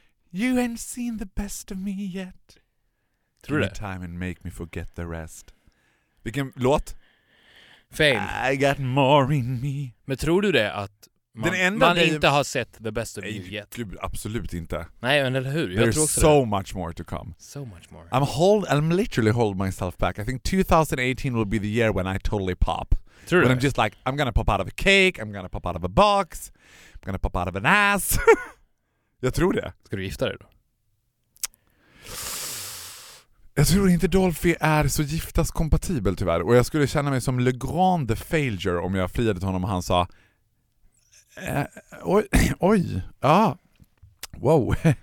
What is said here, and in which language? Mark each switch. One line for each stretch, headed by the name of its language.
English: You ain't seen the best of me yet.
Swedish: Tror du det?
English: Time and make me forget the rest.
Swedish: Vilken låt?
English: Fail. I got more in me.
Swedish: Men tror du det att man inte har sett
English: the best of me yet?
Swedish: Gud, absolut inte. Nej, men eller hur?
English: There's so much more to come. So much more. I'm literally holding myself back. I think 2018 will be the year when I totally pop. True. When I'm just like, I'm gonna pop out of a cake, I'm gonna pop out of a box, I'm gonna pop out of an ass.
Swedish: Jag tror det. Ska du gifta dig då? Jag tror inte Dolphy är så giftaskompatibel tyvärr. Och jag skulle känna mig som Le Grand the Failure om jag friade till honom och han sa oj, ja, wow.